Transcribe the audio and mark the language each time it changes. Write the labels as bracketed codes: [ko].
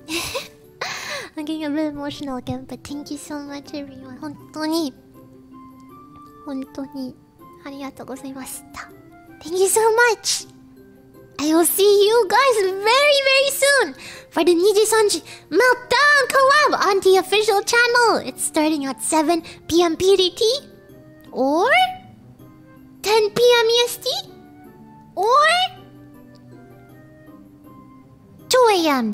[en] Thank you. I'm getting a bit emotional again, but thank you so much, everyone. [ja] 本当に、本当に、 ありがとうございました。 [en] Thank you so much. I will see you guys very, very soon for the NIJISANJI Meltdown Collab on the official channel. It's starting at 7 p.m. PDT or 10 p.m. EST? Or? Joy! a.m.